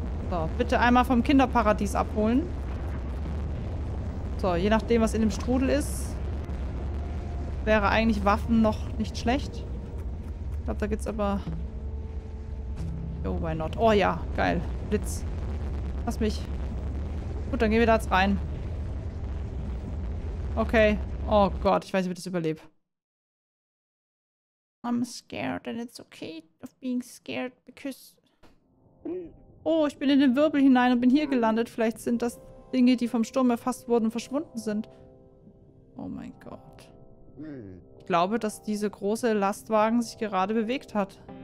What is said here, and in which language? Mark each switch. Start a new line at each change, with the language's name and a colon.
German: So, bitte einmal vom Kinderparadies abholen. So, je nachdem, was in dem Strudel ist, wäre eigentlich Waffen noch nicht schlecht. Ich glaube, da gibt's aber...
English: Oh, why not?
German: Oh ja, geil. Blitz. Lass mich. Gut, dann gehen wir da jetzt rein. Okay. Oh Gott, ich weiß nicht, ob ich das überlebe.
English: I'm scared and it's okay of being scared because...
German: Oh, ich bin in den Wirbel hinein und bin hier gelandet. Vielleicht sind das Dinge, die vom Sturm erfasst wurden und verschwunden sind. Oh mein Gott. Ich glaube, dass dieser große Lastwagen sich gerade bewegt hat.